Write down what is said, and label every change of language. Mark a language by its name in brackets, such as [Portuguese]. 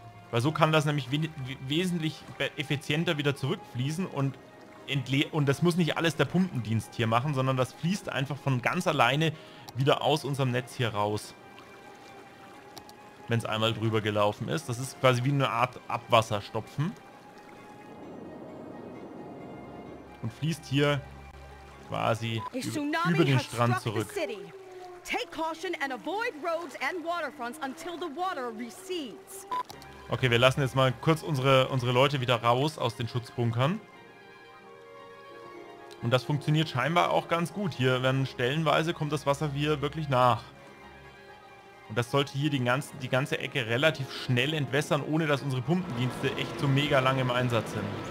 [German] Weil so kann das nämlich wesentlich effizienter wieder zurückfließen und das muss nicht alles der Pumpendienst hier machen, sondern das fließt einfach von ganz alleine wieder aus unserem Netz hier raus. Wenn es einmal drüber gelaufen ist. Das ist quasi wie eine Art Abwasserstopfen. Und fließt hier quasi über den Strand zurück. [English] Take caution and avoid roads and waterfronts until the water recedes. [German] Okay, wir lassen jetzt mal kurz unsere Leute wieder raus aus den Schutzbunkern. Und das funktioniert scheinbar auch ganz gut. Hier werden stellenweise kommt das Wasser hier wirklich nach. Und das sollte hier die ganze Ecke relativ schnell entwässern, ohne dass unsere Pumpendienste echt so mega lang im Einsatz sind.